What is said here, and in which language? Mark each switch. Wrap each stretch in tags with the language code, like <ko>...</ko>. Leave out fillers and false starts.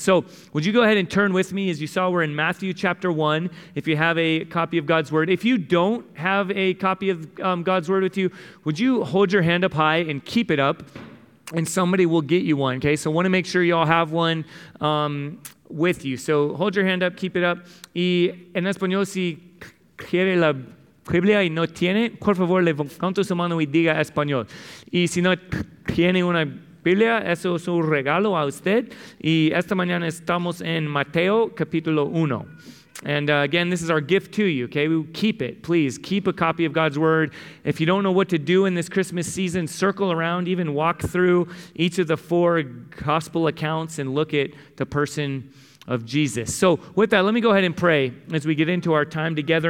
<en>So would you go ahead and turn with me? As you saw, we're in Matthew chapter 1, if you have a copy of God's Word. If you don't have a copy of God's Word with you, would you hold your hand up high and keep it up, and somebody will get you one, okay? So I want to make sure you all have one with you. So hold your hand up, keep it up.</en> <es>Y en español, si quiere la Biblia y no tiene, por favor, levanta su mano y diga español. Y si no tiene una Biblia, eso es un regalo a usted. Y esta mañana estamos en Mateo, capítulo 1.</es> <en>And again, this is our gift to you, okay? Keep it, please. Keep a copy of God's Word. If you don't know what to do in this Christmas season, circle around, even walk through each of the four gospel accounts and look at the person of Jesus. So with that, let me go ahead and pray as we get into our time together.</en>